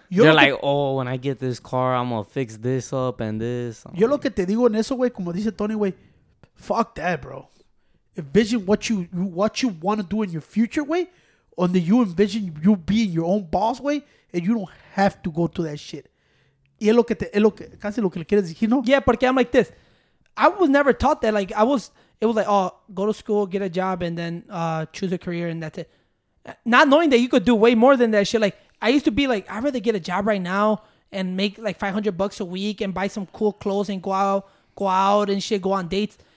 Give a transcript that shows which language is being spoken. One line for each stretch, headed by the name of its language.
English: They're like, when I get this car, I'm going to fix this up and this.
Spanish: Yo lo que te digo en eso, güey, como dice Tony, güey,
English: fuck that, bro. Envision what you want to do in your future, güey. On the, you envision you being your own boss, way, and you don't have to go to that shit.
Spanish: Y es lo que te, es lo que, casi lo que le quieres decir, ¿no?
English: Yeah, porque I'm like this. I was never taught that. Like, it was like, oh, go to school, get a job, and then choose a career, and that's it. Not knowing that you could do way more than that shit. Like, I used to be like, I'd rather get a job right now and make like $500 a week and buy some cool clothes and go out and shit, go on dates.